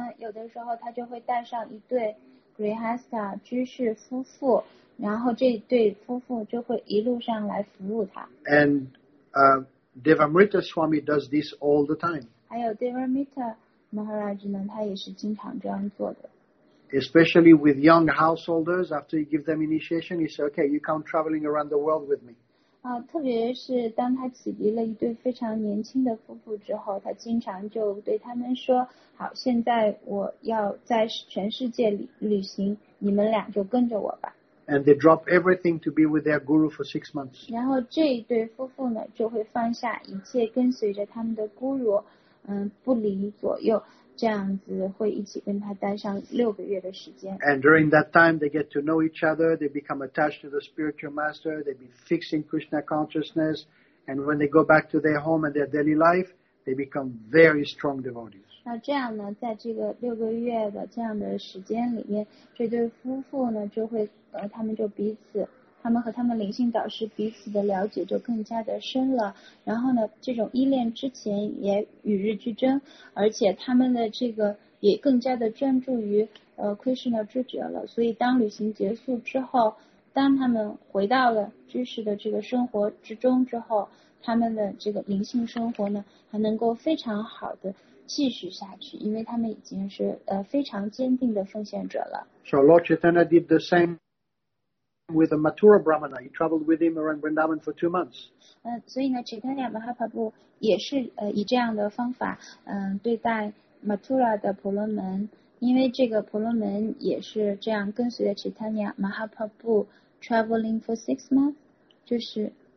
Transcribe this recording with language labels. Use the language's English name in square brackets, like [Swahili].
[Chinese] 有的时候他就会带上一对 grihastha 居士夫妇，然后这对夫妇就会一路上来服务他。 [English] And Devamrita Swami does this all the time. [Chinese] 还有 Devamrita Maharaj 呢，他也是经常这样做的。 [English] Especially with young householders, after you give them initiation, he says, "Okay, you come traveling around the world with me." [Chinese] 特别是当他启迪了一对非常年轻的夫妇之后，他经常就对他们说，好，现在我要在全世界旅行，你们俩就跟着我吧。 [English] And they drop everything to be with their guru for 6 months. [Chinese] 然后这一对夫妇呢就会放下一切跟随着他们的 guru, 不离左右，这样子会一起跟他待上六个月的时间。 [English] And during that time, they get to know each other, they become attached to the spiritual master, they be fixing Krishna consciousness, and when they go back to their home and their daily life, they become very strong devotees. [Chinese] 那这样呢，在这个六个月的这样的时间里面，这对夫妇呢就会他们就彼此，他们和他们灵性导师彼此的了解就更加的深了。然后呢，这种依恋之情也与日俱增，而且他们的这个也更加的专注于Krishna 知觉了。所以当旅行结束之后，当他们回到了知识的这个生活之中之后，他们的这个灵性生活呢还能够非常好的继续下去，因为他们已经是非常坚定的奉献者了。 [English] So Lord Chaitanya did the same with a Mathura Brahmana. He traveled with him around Vrindavan for 2 months. [Chinese] 所以呢 Chaitanya Mahaprabhu 也是以这样的方法对待 Mathura 的婆罗门，因为这个婆罗门也是这样跟随着 Chaitanya Mahaprabhu [English] traveling for 6 months, [Chinese] 就是